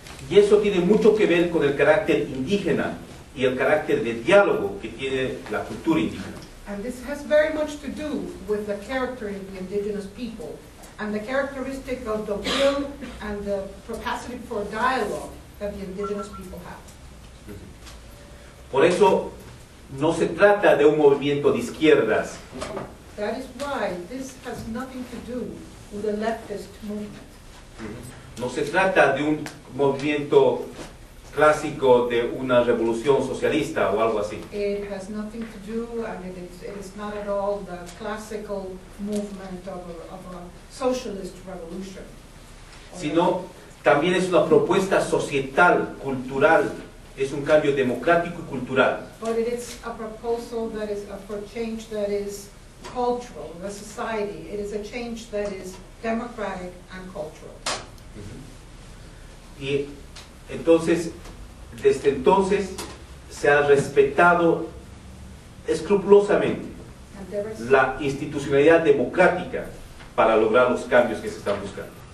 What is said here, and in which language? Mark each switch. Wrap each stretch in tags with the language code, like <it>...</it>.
<es>Y eso tiene mucho que ver con el carácter indígena y el carácter de diálogo que tiene la cultura indígena.</es> <en>And this has very much to do with the character of the indigenous people and the characteristic of the will and the capacity for dialogue that the indigenous people have.</en> <es>Por eso no se trata de un movimiento de izquierdas.</es> <en>That is why this has nothing to do with the leftist movement.</en> <es>No se trata de un movimiento clásico de una revolución socialista o algo así.</es> <en>It has nothing to do, it is not at all the classical movement of a socialist revolution.</en> <es>Sino también es una propuesta societal, cultural. Es un cambio democrático y cultural.</es> <en>But it is a proposal that is for change that is cultural, the society. It is a change that is democratic and cultural.</en> <es>Y entonces, desde entonces, se ha respetado escrupulosamente la institucionalidad democrática para lograr los cambios que se están buscando.</es>